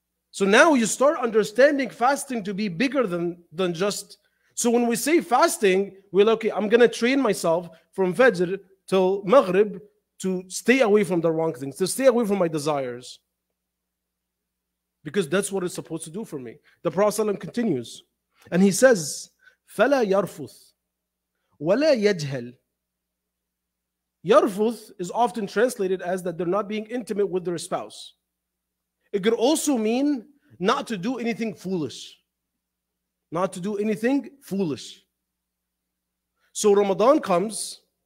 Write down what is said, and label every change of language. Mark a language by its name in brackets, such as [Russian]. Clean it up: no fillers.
[English] So now you start understanding fasting to be bigger than just... So when we say fasting, we're like, okay, I'm going to train myself from Fajr till Maghrib to stay away from the wrong things, to stay away from my desires. Because that's what it's supposed to do for me. The Prophet ﷺ continues. And he says, [Arabic] فَلَا يَرْفُثْ وَلَا يَجْهَلْ. [English] يَرْفُثْ is often translated as that they're not being intimate with their spouse. It could also mean not to do anything foolish. Not to do anything foolish. So Ramadan comes.